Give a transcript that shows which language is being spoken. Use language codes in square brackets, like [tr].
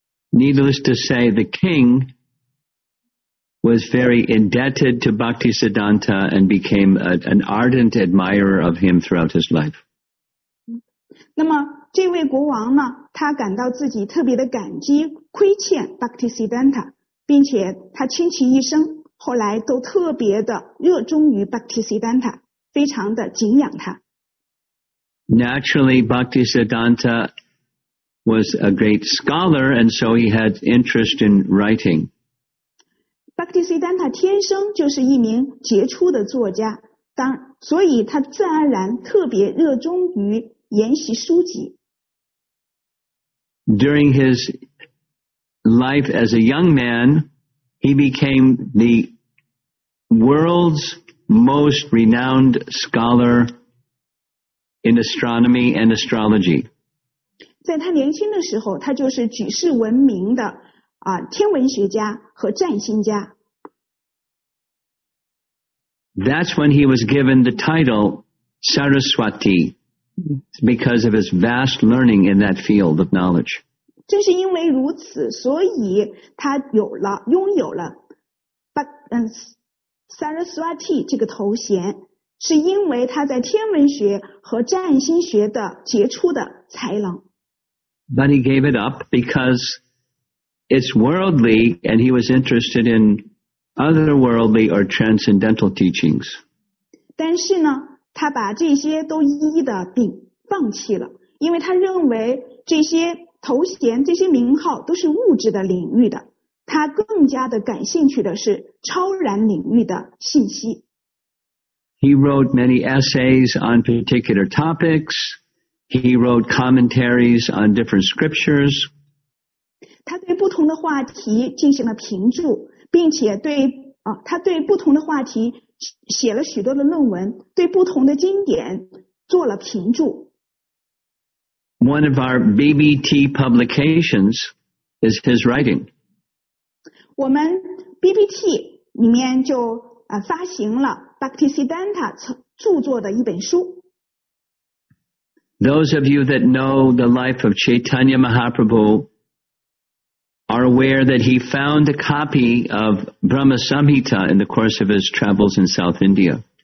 [en] Needless to say, the king was very indebted to Bhaktisiddhanta and became an ardent admirer of him throughout his life. [zh] 那么这位国王呢，他感到自己特别的感激亏欠 Bhaktisiddhanta， 并且他倾其一生后来都特别的热衷于 Bhaktisiddhanta， 非常的敬仰他。 [en] Naturally, Bhaktisiddhanta was a great scholar, and so he had interest in writing. [zh] Bhaktisiddhanta 天生就是一名杰出的作家，所以他自然而然特别热衷于研习书籍。 [en] During his life as a young man, he became the world's most renowned scholar in astronomy and astrology. [zh] 在他年轻的时候，他就是举世闻名的天文学家和占星家。 [en] That's when he was given the title Saraswati, because of his vast learning in that field of knowledge. [zh] 正是因为如此，所以他拥有了 Saraswati 这个头衔，是因为他在天文学和占星学的杰出的才能。 [en] But he gave it up because it's worldly, and he was interested in otherworldly or transcendental teachings. [zh] 但是呢，他把这些都一的放弃了，因为他认为这些头衔、这些名号都是物质的领域的，他更加的感兴趣的是超然领域的信息。 [en] He wrote many essays on particular topics. He wrote commentaries on different scriptures. [zh] 他对不同的话题进行了评注，并且他对不同的话题写了许多的论文，对不同的经典做了评注。 [en] One of our BBT publications is his writing. [zh] 我们 BBT 里面就发行了Bhaktisiddhanta 著作的一本书。 [en] Those of you that know the life of Chaitanya Mahaprabhu are aware that he found a copy of Brahma Samhita in the course of his travels in South India.